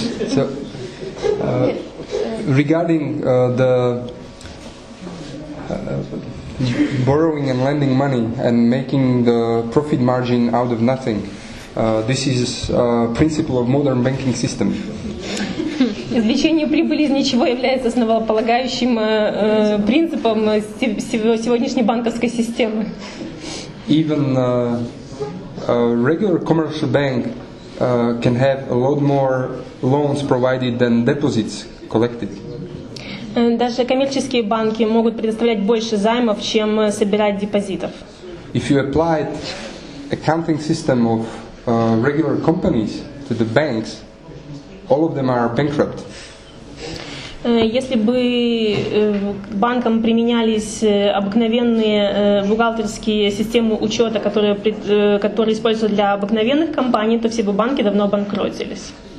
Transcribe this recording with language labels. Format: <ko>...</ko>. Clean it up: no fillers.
<en>So, regarding the. Borrowing and lending money and making the profit margin out of nothing. This is a principle of modern banking system.</en> <ru>Извлечение прибыли из ничего является основополагающим принципом сегодняшней банковской системы.</ru> <en>Even a regular commercial bank can have a lot more loans provided than deposits collected.</en> <ru>Даже коммерческие банки могут предоставлять больше займов, чем собирать депозитов.</ru> <en>If you applied accounting system of regular companies to the banks, all of them are bankrupt.</en> <ru>Если бы банкам применялись обыкновенные бухгалтерские системы учета, которые которые используются для обыкновенных компаний, то все бы банки давно обанкротились.</ru>